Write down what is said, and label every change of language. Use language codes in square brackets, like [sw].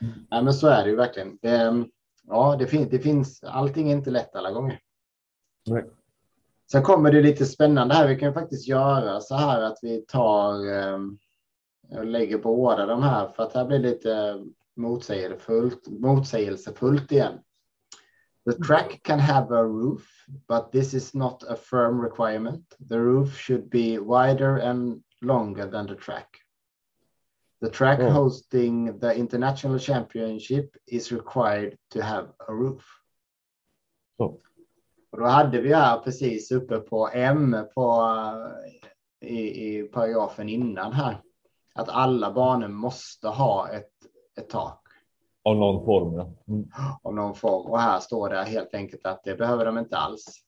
[sv] Nej, men så är det ju verkligen. Ja, det finns, allting är inte lätt alla gånger. Nej. Sen kommer det lite spännande här. Vi kan faktiskt göra så här att vi tar och lägger båda de här, för att här blir lite motsägelsefullt igen. [en] The track can have a roof, but this is not a firm requirement. The roof should be wider and longer than the track. The track hosting the international championship is required to have a roof. Oh. [sv] Och då hade vi här precis uppe på M på i paragrafen innan här. Att alla barnen måste ha ett tak. Av någon form, ja. Av någon form. Och här står det helt enkelt att det behöver de inte alls.